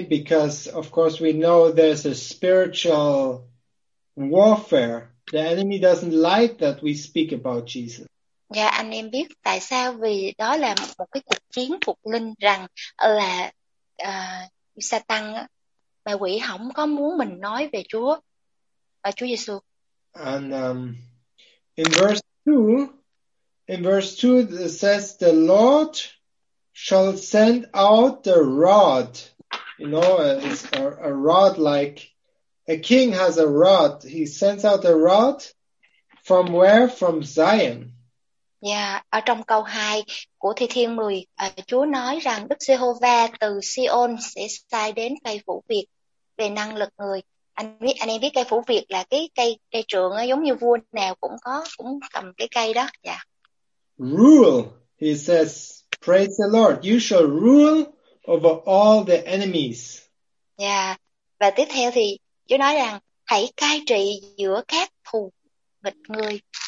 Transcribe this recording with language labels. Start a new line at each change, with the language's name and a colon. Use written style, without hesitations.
English: Because of course we know there's a spiritual warfare. The enemy doesn't like that we speak about Jesus.
Vietnamese: Dạ, anh em biết tại sao, vì đó là một cái cuộc chiến phục linh, rằng là Satan, ma quỷ không có muốn mình nói về Chúa và Chúa Giêsu.
English: And in verse 2 it says the Lord shall send out the rod, you know, it's a rod, like a king has a rod. He sends out the rod from where? From Zion.
Vietnamese: Yeah, ở trong câu 2 của Thi Thiên 10, Chúa nói rằng Đức Giê-hô-va từ Si-ôn sẽ sai đến cây phủ việc về năng lực người. Anh em biết cây phủ việc là cái cây trượng, giống như vua nào cũng cầm cái cây đó.
English: Yeah. Rule, he says, praise the Lord, you shall rule over all the enemies. Yeah.
Vietnamese: Và tiếp theo thì Chúa nói rằng hãy cai trị giữa các thù nghịch người.